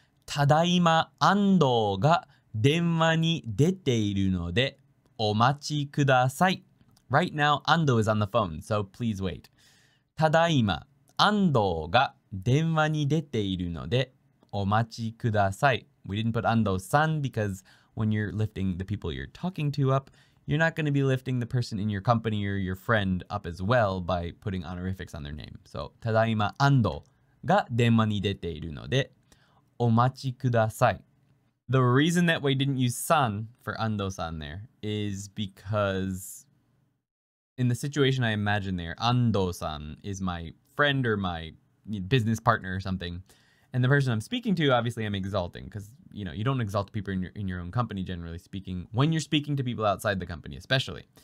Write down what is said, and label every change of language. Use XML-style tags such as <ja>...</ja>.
<ja>ただいま安藤が電話に出ているのでお待ちください。</ja> <en>Right now, Ando is on the phone, so please wait.</en> <ja>ただいま安藤が電話に出ているのでお待ちください。</ja> <en>We didn't put Ando-san because when you're lifting the people you're talking to up, you're not going to be lifting the person in your company or your friend up as well by putting honorifics on their name. So,</en> <ja>ただいま Ando が電話に出ているのでお待ちください。</ja> <en>The reason that we didn't use san for Ando-san there is because in the situation I imagine there, Ando-san is my friend or my business partner or something. And the person I'm speaking to, obviously I'm exalting because, you know, you don't exalt people in your own company, generally speaking, when you're speaking to people outside the company, especially.</en>